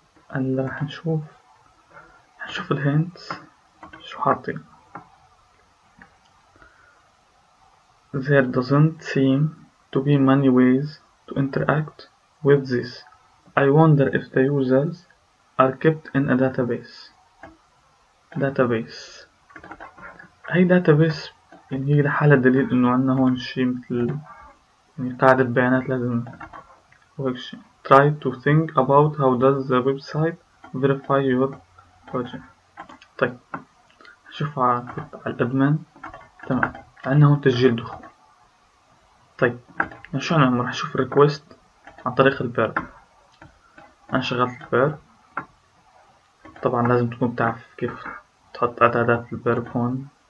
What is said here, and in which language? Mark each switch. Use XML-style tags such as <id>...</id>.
<ar>هلا رح نشوف، نشوف الهنت شو حاطين.</ar> <en>There doesn't seem to be many ways to interact with this. I wonder if the users are kept in a database. Database.</en> <ar>هي database يعني هي لحالة دليل انه عندنا هون شيء مثل يعني قاعدة بيانات لازم وهيك شيء.</ar> <en>Try to think about how does the website verify your project.</en> <ar>طيب شوف على الادمن. تمام، عندنا هون تسجيل دخول. طيب شو نعمل؟ رح نشوف الريكوست عن طريق البير. انا شغلت البير، طبعا لازم تكون بتعرف كيف تحط اعدادات البير هون.</ar>